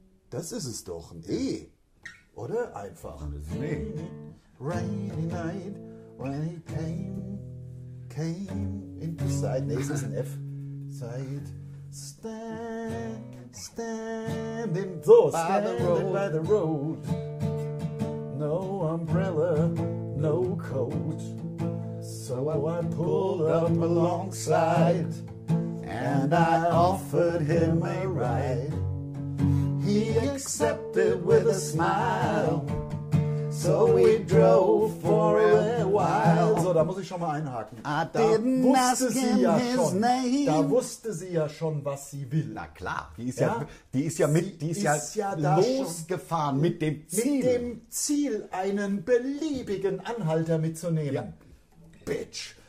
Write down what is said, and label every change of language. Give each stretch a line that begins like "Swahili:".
German: Das ist es doch, ein E, oder? Einfach.
English: Rainy night, when he came into sight.
German: Nee, es ist ein F.
English: Sight, standing by the road. No umbrella, no coat. So I pulled up alongside and I offered him a ride. He accepted with a smile. So we drove for a while.
German: So, da muss ich schon mal einhaken. Da wusste sie ja schon, was sie will. Na klar, die ist ja losgefahren mit dem Ziel. Mit dem Ziel, einen beliebigen Anhalter mitzunehmen. Ja. Bitch.